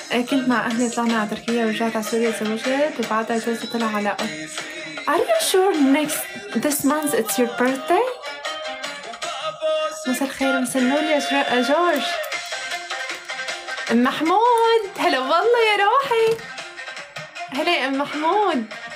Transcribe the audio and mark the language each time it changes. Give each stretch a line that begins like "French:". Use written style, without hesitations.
Arabic: كنت مع أهلي طلعنا على تركيا ورجعت على سوريا تزوجت، وبعدها جوزي طلع على أرض.
English: Are you sure next this month it's your birthday؟
Arabic: مساء الخير مساء النور يا جورج. أم محمود هلا والله يا روحي. هلا يا أم محمود.